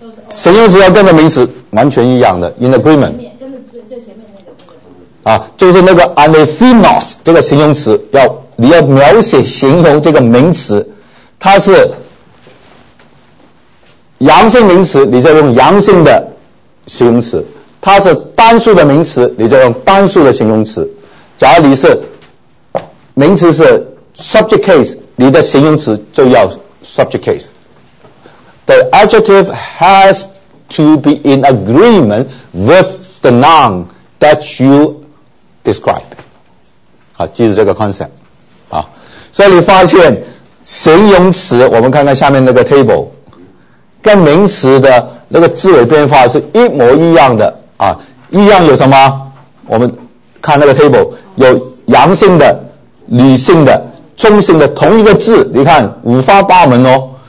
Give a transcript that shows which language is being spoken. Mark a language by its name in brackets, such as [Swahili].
[Chinese] 形容词要跟着名词完全一样的 ，in agreement。跟着最前面的那个。啊，就是那个 anathemos 这个形容词，要你要描写形容这个名词，它是阳性名词，你就用阳性的形容词；它是单数的名词，你就用单数的形容词。假如你是名词是 subject case， 你的形容词就要 subject case。 [English] The adjective has to be in agreement with the noun that you describe. [Chinese] 好，记住这个 concept. 好，所以你发现形容词，我们看看下面那个 table， 跟名词的那个字尾变化是一模一样的啊。一样有什么？我们看那个 table， 有阳性的、女性的、中性的，同一个字，你看五花八门哦。